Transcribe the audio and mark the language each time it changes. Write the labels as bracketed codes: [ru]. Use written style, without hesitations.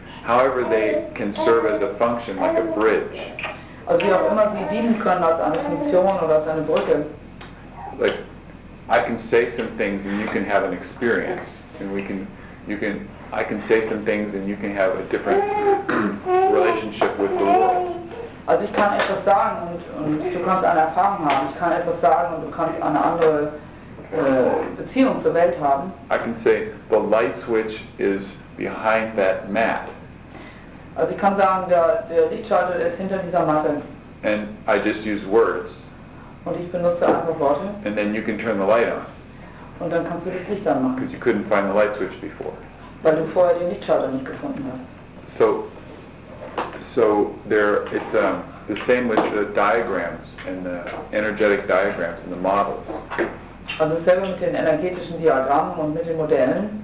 [en] However, they can serve as a function, like a bridge. [de] Also, wie auch immer sie dienen können als eine Funktion oder als eine Brücke. [en] Like, I can say some things and you can have an experience, and I can say some things and you can have a different relationship with the world. [de] Also ich kann etwas sagen und du kannst eine Erfahrung haben. Ich kann etwas sagen und du kannst eine andere Beziehung zur Welt haben. [en] I can say the light switch is behind that mat. [de] Also ich kann sagen, der Lichtschalter ist hinter dieser Matte. [en] And I just use words. [de] Und ich benutze einfach Worte. [en] And then you can turn the light on. [de] Und dann kannst du das Licht anmachen. [en] Because you couldn't find the light switch before. [de] Weil du vorher den Lichtschalter nicht gefunden hast. [en] So there, it's the same with the diagrams and the energetic diagrams and the models. [de] Also selber mit den energetischen Diagrammen und mit den Modellen.